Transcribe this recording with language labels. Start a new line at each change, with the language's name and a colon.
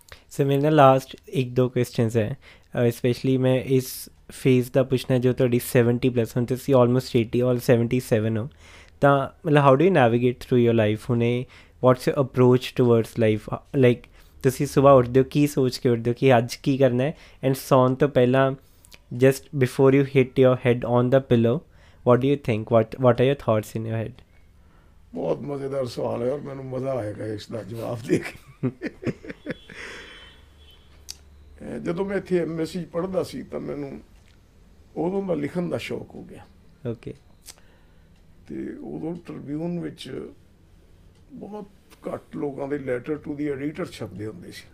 Punjabi: Sir ਮੇਰੇ ਨਾਲ last 1-2 questions ਹੈ, ਸਪੈਸ਼ਲੀ ਮੈਂ ਇਸ ਫੇਜ਼ ਦਾ ਪੁੱਛਣਾ ਜੋ ਤੁਹਾਡੀ 70+, ਹੁਣ ਤੁਸੀਂ ਆਲਮੋਸਟ 80 or 77 ਹੋ, ਤਾਂ ਮਤਲਬ
English: How do you navigate through your life?
Punjabi: ਹੁਣ
English: What's your approach towards life?
Punjabi: ਲਾਈਕ ਤੁਸੀਂ ਸੁਬਹਾ ਉੱਠਦੇ ਹੋ, ਕੀ ਸੋਚ ਕੇ ਉੱਠਦੇ ਹੋ ਕਿ ਅੱਜ ਕੀ ਕਰਨਾ, ਐਂਡ ਸੌਣ ਤੋਂ ਪਹਿਲਾਂ
English: just before you hit your head on the pillow, what do you think? What are your thoughts in your head?
Punjabi: ਬਹੁਤ ਮਜ਼ੇਦਾਰ ਸਵਾਲ ਹੈ ਔਰ ਮੈਨੂੰ ਮਜ਼ਾ ਆਏਗਾ ਇਸ ਦਾ ਜਵਾਬ ਦੇ ਕੇ। ਜਦੋਂ ਮੈਂ ਇੱਥੇ ਐਮ ਐਸ ਸੀ ਪੜ੍ਹਦਾ ਸੀ ਤਾਂ ਮੈਨੂੰ ਉਦੋਂ ਦਾ ਲਿਖਣ ਦਾ ਸ਼ੌਕ ਹੋ ਗਿਆ। ਓਕੇ। ਅਤੇ ਉਦੋਂ ਟ੍ਰਿਬਿਊਨ ਵਿੱਚ ਬਹੁਤ ਘੱਟ ਲੋਕਾਂ ਦੇ ਲੈਟਰ ਟੂ ਦੀ ਐਡੀਟਰ ਛਪਦੇ ਹੁੰਦੇ ਸੀ।